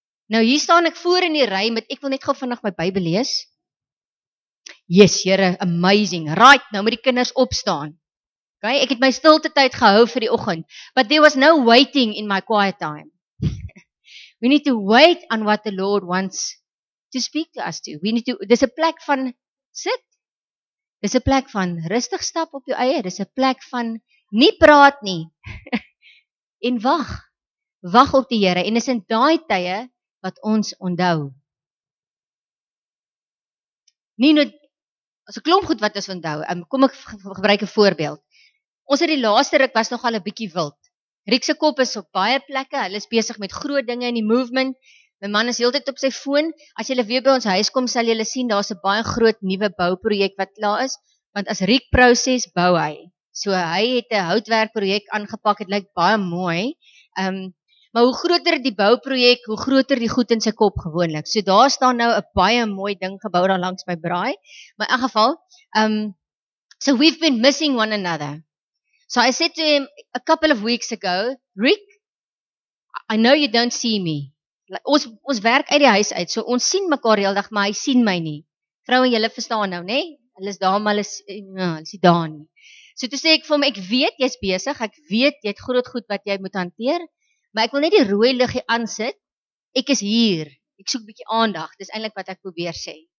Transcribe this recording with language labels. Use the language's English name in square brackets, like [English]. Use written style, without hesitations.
[Afrikaans] Nou hier staan ek voor in die ry, maar ek wil net gou vinnig my Bybel lees. Yes, Here, amazing. Right, nou moet die kinders opstaan. Okay, ek het my stilte tyd gehou vir die oggend. [English] But there was no waiting in my quiet time. We need to wait on what the Lord wants to speak to us to. We need to, there's a [Afrikaans] plek van sit. [English] There's a [Afrikaans] plek van rustig stap op jou eie. [English] There's a [Afrikaans] plek van nie praat nie. En wag. Wag op die Here. En is in daai tye wat ons onthou. Nie net, as 'n klomp goed wat ons onthou. Kom ek gebruik 'n voorbeeld. Ons het die laaste ruk was nogal 'n bietjie wild. Riekse kop is op baie plekke, hulle is besig met groot dinge in die movement. My man is heeltyd op sy foon. As jy weer by ons huis kom, sal jy sien, daar is 'n baie groot nuwe bouprojek wat klaar is. Want as Riek proses, bou hy. So hy het 'n houtwerkprojek aangepak, het lyk baie mooi. Maar hoe groter die bouprojek, hoe groter die goed in sy kop gewoonlik. So daar staan nou 'n baie mooi ding gebou daar langs my braai. Maar in geval, [English] so we've been missing one another. So I said to him a couple of weeks ago, Rick, I know you don't see me. [Afrikaans] Like, ons werk uit die huis uit, so ons sien mekaar die hele dag, maar hy sien my nie. Vrou en julle verstaan nou, nee? Hulle is daar, maar hulle is daar nie. So toe sê ek vir hom, ek weet jy is besig, ek weet jy het groot goed wat jy moet hanteer, maar ek wil net die rooi liggie aansit, ek is hier, ek soek bietjie aandag, dis eintlik wat ek probeer sê.